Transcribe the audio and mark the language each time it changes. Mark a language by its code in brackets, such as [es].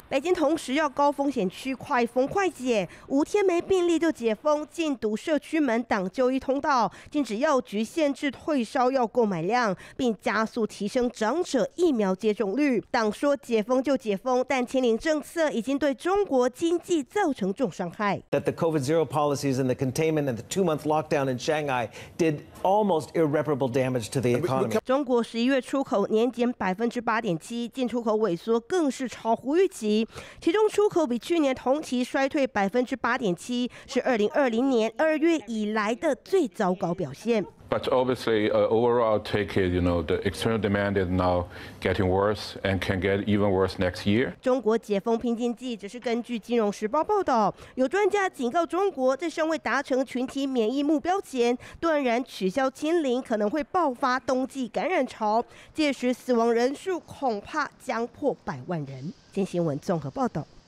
[zh] 北京同时要高风险区快封快解，5天没病例就解封，禁堵社区门挡就医通道，禁止药局限制退烧药购买量，并加速提升长者疫苗接种率。党说解封就解封，但清零政策已经对中国经济造成重伤害。 [en] That the COVID zero policies and the containment and the 2-month lockdown in Shanghai did almost irreparable damage to the economy. [zh] 中国11月出口年减8.7%，进出口萎缩更是超乎预期。其中出口比去年同期衰退8.7%，是2020年2月以来的最糟糕表现。 [en] But obviously, overall, take it, you know, the external demand is now getting worse and can get even worse next year. [zh] 中国解封拼经济，只是根据金融时报报道，有专家警告中国在尚未达成群体免疫目标前，断然取消清零，可能会爆发冬季感染潮，届时死亡人数恐怕将破百万人。金新闻综合报道。